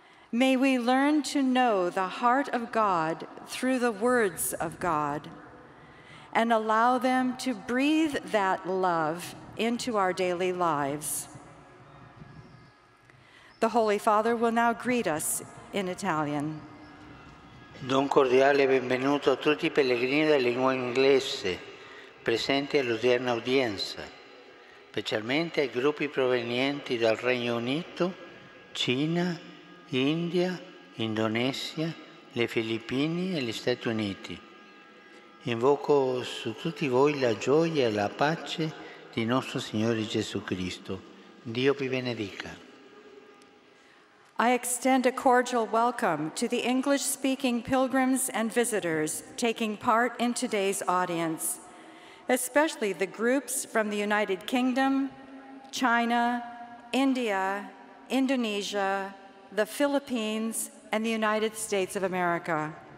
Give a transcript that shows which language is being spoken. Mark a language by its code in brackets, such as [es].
[en] May we learn to know the heart of God through the words of God and allow them to breathe that love into our daily lives. The Holy Father will now greet us in Italian. [it] Do un cordiale benvenuto a tutti i pellegrini della lingua inglese presenti all'odierna udienza, specialmente ai gruppi provenienti dal Regno Unito, Cina, India, Indonesia, le Filippine e gli Stati Uniti. Invoco su tutti voi la gioia e la pace di nostro Signore Gesù Cristo. Dio vi benedica. [en] I extend a cordial welcome to the English-speaking pilgrims and visitors taking part in today's audience, especially the groups from the United Kingdom, China, India, Indonesia, the Philippines, and the United States of America.